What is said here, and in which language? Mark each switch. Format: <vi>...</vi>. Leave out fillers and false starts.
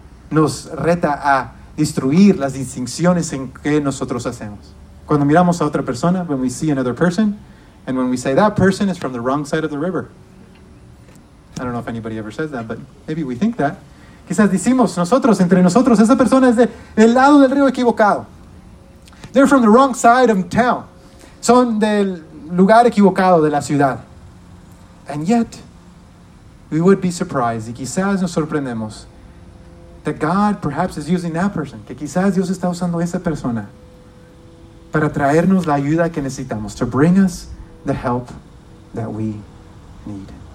<es>Nos reta a destruir las distinciones en que nosotros hacemos. Cuando miramos a otra persona,</es> <en>when we see another person, and when we say that person is from the wrong side of the river. I don't know if anybody ever says that, but maybe we think that.</en> <es>Quizás decimos nosotros, entre nosotros, esa persona es del lado del río equivocado.</es> <en>They're from the wrong side of town.</en> <es>Son del lugar equivocado de la ciudad.</es> <en>And yet, we would be surprised,</en> <es>y quizás nos sorprendemos,</es> <en>that God perhaps is using that person,</en> <es>que quizás Dios está usando esa persona para traernos la ayuda que necesitamos,</es> <en>to bring us the help that we need.</en>